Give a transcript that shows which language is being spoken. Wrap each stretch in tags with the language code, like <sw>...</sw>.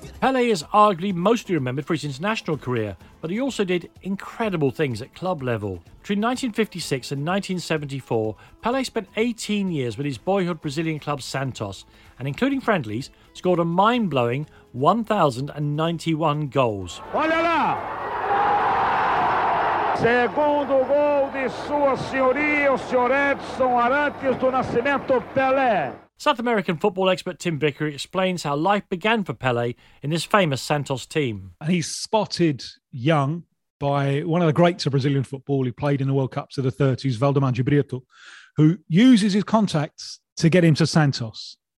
<en>Pelé is arguably mostly remembered for his international career, but he also did incredible things at club level. Between 1956 and 1974, Pelé spent 18 years with his boyhood Brazilian club Santos, and including friendlies, scored a mind-blowing 1,091 goals.</en> <pt>Olha lá! Segundo gol de sua senhoria, o senhor Edson Arantes do Nascimento Pelé.</pt> <en>South American football expert Tim Vickery explains how life began for Pelé in this famous Santos team. And he's spotted young by one of the greats of Brazilian football who played in the World Cups of the 30s, Valdemar de Brito, who uses his contacts to get him to Santos.</en>